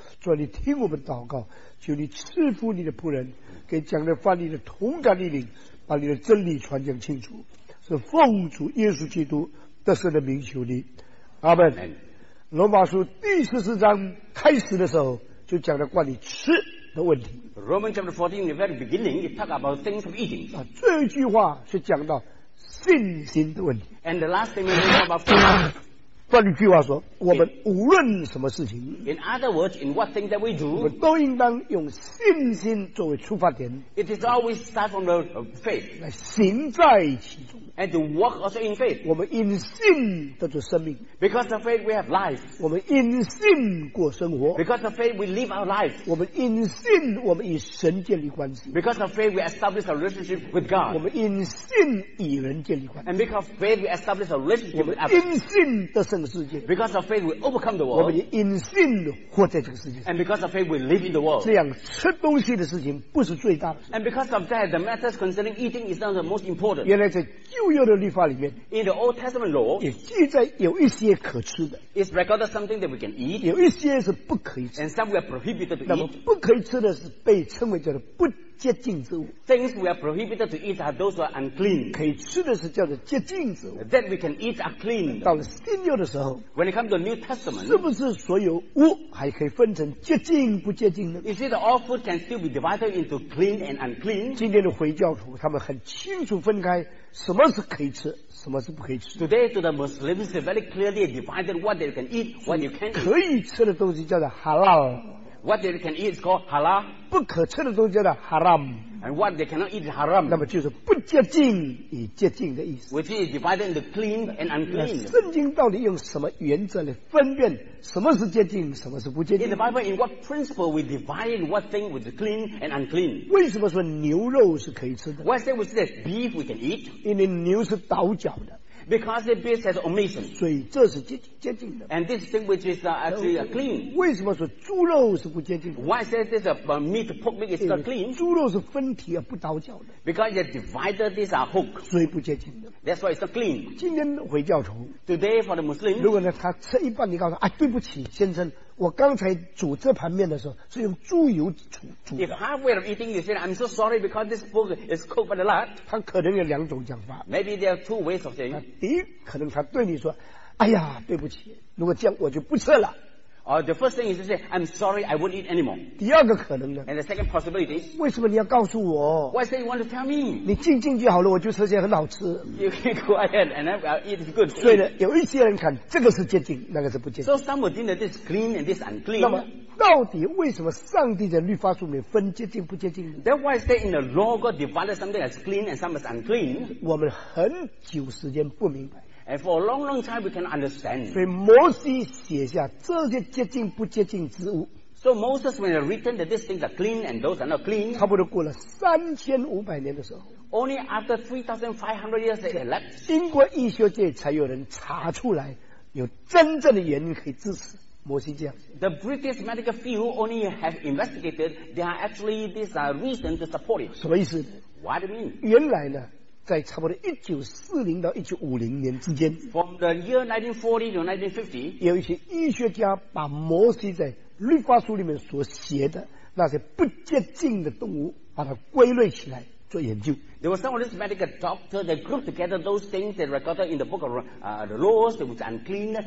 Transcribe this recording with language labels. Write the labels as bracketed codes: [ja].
[zh] 主啊，你听我们祷告，求你赐福你的仆人，给讲的翻译的同感力领，把你的真理传讲清楚。是奉主耶稣基督得胜的名求你，阿们。罗马书第十四章开始的时候就讲了关于吃的问题。 [en] Romans chapter 14, the very beginning, it talks about things of eating. [zh] 啊，这一句话是讲到信心的问题。 [en] And the last thing we talk about food. [zh] 换句话说，我们无论什么事情 [en] ，In other words, in what things that we do, [zh] 我们都应当用信心作为出发点。 [en] It is always start from the faith. [zh] 来行在其中。 [en] And to walk also in faith. [zh] 我们因信得着生命。 [en] Because of faith we have life. [zh] 我们因信过生活。 [en] Because of faith we live our life. [zh] 我们因信我们与神建立关系。 [en] Because of faith we establish a relationship with God. [zh] 我们因信与人建立关系。 [en] And because of faith we establish a relationship with others. [zh] 我们因信得胜世界。 [en] Because of faith we overcome the world. [zh] 我们因信活在这个世界。 [en] And because of faith we live in the world. [zh] 这样吃东西的事情不是最大的。 [en] And because of that the matters concerning eating is not the most important. [zh] 原来在旧约的律法里面 [en] ，In the Old Testament law， [zh] 也记载有一些可吃的 [en] ，It's recorded something that we can eat， [zh] 有一些是不可以吃 [en] ，And some we are prohibited to eat。 [zh] 那么不可以吃的是被称为叫做不洁净之物 [en] ，Things we are prohibited to eat are those who are unclean。 [zh] 可以吃的是叫做洁净之物 [en] ，That we can eat are clean。 [zh] 到了新约的时候 [en] ，When it comes to New Testament， [zh] 是不是所有物还可以分成洁净不洁净呢 [en] ？You see, all food can still be divided into clean and unclean。 [zh] 今天的回教徒他们很清楚分开。什么是可以吃，什么是不可以吃 [en] ？Today to the Muslims, very clearly divided what they can eat, what you can't. [zh] 可以吃的东西叫做 halal. [en] What they can eat is called halal. [zh] 不可吃的东西叫做 haram. [en] And what they cannot eat is haram. [zh] 那么就是不洁净与洁净的意思。 [en] Which is divided into clean and unclean. [zh] 圣经到底用什么原则来分辨什么是洁净，什么是不洁净 [en] ？In the Bible, in what principle we divide what thing with clean and unclean? [zh] 为什么说牛肉是可以吃的 [en] ？Why say we say that beef we can eat? [zh] 因为牛是倒脚的。 [en] Because the beast has omission. [zh] 所以这是洁净的。 [en] And this thing which is actually clean. [zh] 为什么说猪肉是不洁净的 [en] ？Why say this meat pork meat is not clean? [zh] 猪肉是分体而不倒脚的。 [en] Because it divided these are hook. [zh] 所以不洁净的。 [en] That's why it's not clean. [zh] 今天回教徒 [en] ，Today for the Muslims. [zh] 如果呢他吃一半，你告诉他，哎，对不起，先生。我刚才煮这盘面的时候是用猪油煮的。 [en] If halfway of eating, you say, "I'm so sorry because this pork is cooked by the lard." [zh] 他可能有两种讲法。 [en] Maybe there are two ways of saying. [zh] 第一，可能他对你说，哎呀，对不起，如果这样我就不吃了。 [en] The first thing is to say, "I'm sorry, I won't eat anymore." [zh] 第二个可能呢 [en] ？And the second possibility. [zh] 为什么你要告诉我 [en] ？Why say you want to tell me? [zh] 你静静就好了，我就吃些很好吃。 [en] You keep quiet, and I will eat good. [zh] 所以呢，有一些人看这个是洁净，那个是不洁净。 [en] So some would think that this is clean and this is unclean. [zh] 那么到底为什么上帝在律法书里面分接近不接近？ [en] That why say in the law God divided something as clean and something as unclean. [zh] 我们很久时间不明白。 [en] And for a long, long time, we cannot understand. [zh] 所以摩西写下这些接近不接近之物。 [en] So Moses, when he written that these things are clean and those are not clean, [zh] 差不多过了3500年的时候。 [en] Only after 3,500 years they elapsed. [zh] 经过医学界才有人查出来有真正的原因可以支持摩西这样。 [en] The British medical field only have investigated there are actually these are reasons to support it. [zh] 什么意思？ [en] What do you mean? [zh] 原来呢在差不多1940到1950年之间 [en] From the year 1940 to 1950 [zh] 有一些医学家把摩西在律法书里面所写的那些不接近的动物把它归类起来做研究。 [en] There was some of this medical doctor that grouped together those things that recorded in the book of the laws that was unclean.